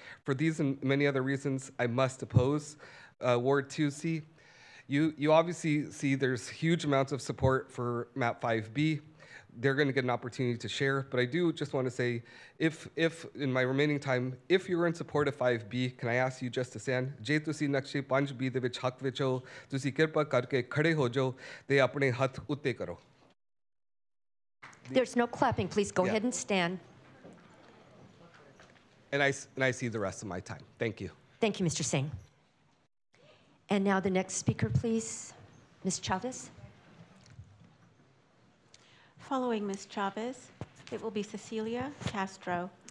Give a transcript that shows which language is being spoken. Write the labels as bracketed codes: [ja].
[en] For these and many other reasons, I must oppose Ward 2C. You obviously see there's huge amounts of support for Map 5B. They're going to get an opportunity to share, but I do just want to say, if in my remaining time, if you're in support of 5B, can I ask you just to stand? [pa] ਜੇ ਤੁਸੀ ਨਕਸ਼ੇ 5B ਦੇ ਵਿਚ ਹੱਕ ਵਿਚੋ, ਤੁਸੀ ਕਿਰਪਾ ਕਰਕੇ ਖੜੇ ਹੋ ਜੋ, ਦੇ ਆਪਣੇ ਹੱਥ ਉੱਤੇ ਕਰੋ। [en] There's no clapping. Please go ahead and stand. And I see the rest of my time. Thank you. Thank you, Mr. Singh. And now the next speaker, please. Ms. Chavez. Following Ms. Chavez, it will be Cecilia Castro.